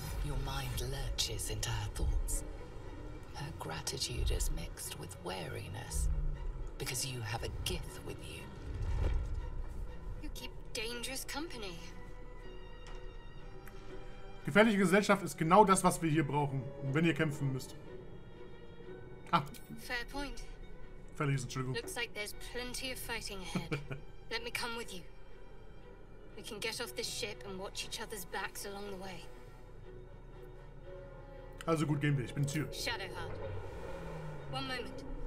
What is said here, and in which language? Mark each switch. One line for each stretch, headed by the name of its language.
English: Your mind lurches into her thoughts. Her gratitude is mixed with wariness, because you have a gith with you. You keep dangerous company.
German: Gefährliche Gesellschaft ist genau das, was wir hier brauchen, wenn ihr kämpfen müsst. Ah.
English: Fair point.
German: Verlies, Entschuldigung.
English: Looks like there's plenty of fighting ahead. Let me come with you. We can get off this ship and watch each other's backs along the way.
German: Also gut, gehen wir. Ich bin zu.
English: Shadowheart. One moment.